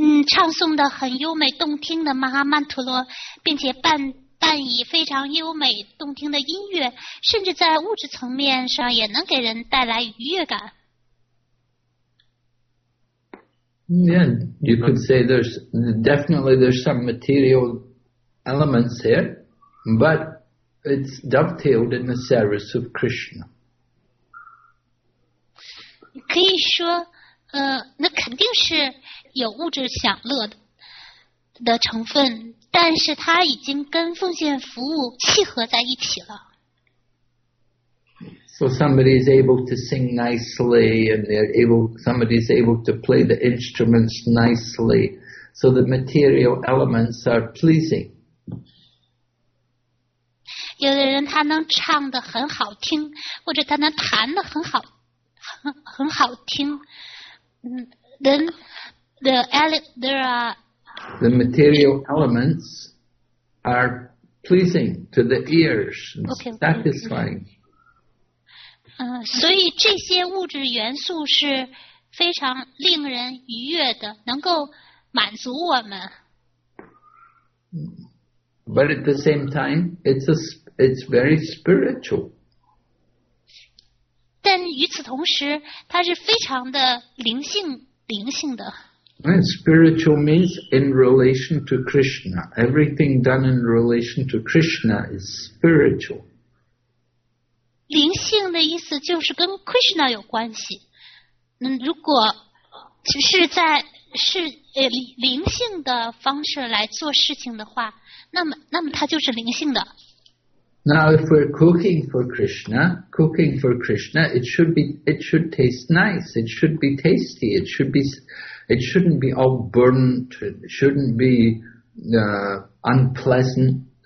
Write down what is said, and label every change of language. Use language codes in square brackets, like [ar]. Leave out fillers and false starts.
[zh] 唱诵的很优美动听的玛哈曼陀罗，并且伴以非常优美动听的音乐，甚至在物质层面上也能给人带来愉悦感。 [en] Yeah, you could say there's some material elements here, but. It's dovetailed in the service of Krishna. [zh] 可以说，那肯定是有物质享乐的成分，但是它已经跟奉献服务契合在一起了。 [en] So somebody is able to sing nicely, and somebody is able to play the instruments nicely, so the material elements are pleasing. [zh] 有的人他能唱得很好听，或者他能弹得很好听。 [en] Then the material elements are pleasing to the ears, satisfying. [zh] 所以这些物质元素是非常令人愉悦的，能够满足我们。 [en] But at the same time, it's very spiritual. [zh] 但与此同时，它是非常的灵性的。 [en] And spiritual means in relation to Krishna. Everything done in relation to Krishna is spiritual. [zh] 灵性的意思就是跟 Krishna 有关系。如果是灵性的方式来做事情的话，那么它就是灵性的。 [en] Now, if we're cooking for Krishna, it should taste nice. It should be tasty. It shouldn't be all burnt. It shouldn't be unpleasant.